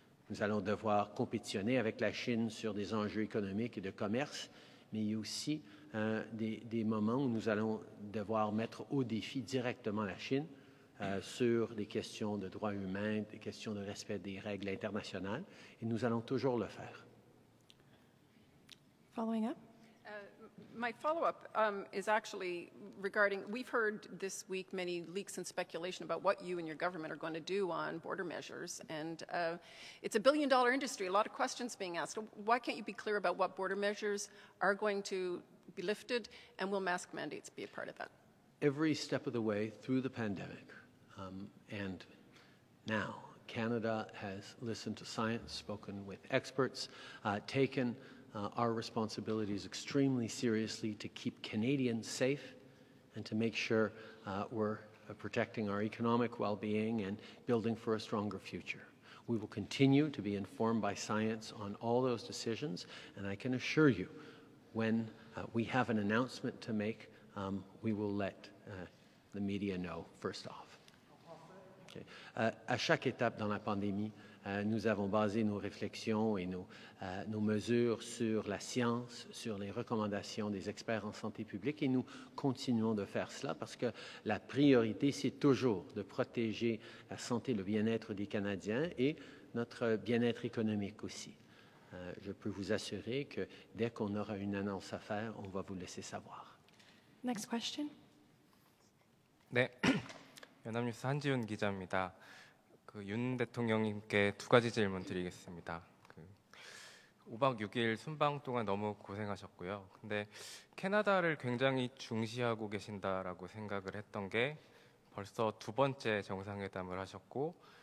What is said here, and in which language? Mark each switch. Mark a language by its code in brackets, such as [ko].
[fr] Nous allons devoir compétitionner avec la Chine sur des enjeux économiques et de commerce, mais il y a aussi des moments où nous allons devoir mettre au défi directement la Chine sur des questions de droits humains, des questions de respect des règles internationales, et nous allons toujours le faire. [en] Following up. My follow-up is actually regarding, we've heard this week many leaks and speculation about what you and your government are going to do on border measures, and it's a billion-dollar industry, a lot of questions being asked. Why can't you be clear about what border measures are going to be lifted, and will mask mandates be a part of that? Every step of the way through the pandemic, and now, Canada has listened to science, spoken with experts, taken our responsibility is extremely seriously to keep Canadians safe and to make sure we're protecting our economic well-being and building for a stronger future. We will continue to be informed by science on all those decisions, and I can assure you, when we have an announcement to make, we will let the media know first off. Okay. [fr] À chaque étape dans la pandémie, nous avons basé nos réflexions et nos mesures sur la science, sur les recommandations des experts en santé publique, et nous continuons de faire cela parce que la priorité, c'est toujours de protéger la santé, le bien-être des Canadiens et notre bien-être économique aussi. Je peux vous assurer que dès qu'on aura une annonce à faire, on va vous laisser savoir. [en] Next question. [fr] Oui. [ko] 연합뉴스 한지훈 기자입니다. 윤 대통령님께 두 가지 질문 드리겠습니다. 5박 6일 순방 동안 너무 고생하셨고요. 근데 캐나다를 굉장히 중시하고 계신다라고 생각을 했던 게 벌써 두 번째 정상회담을 하셨고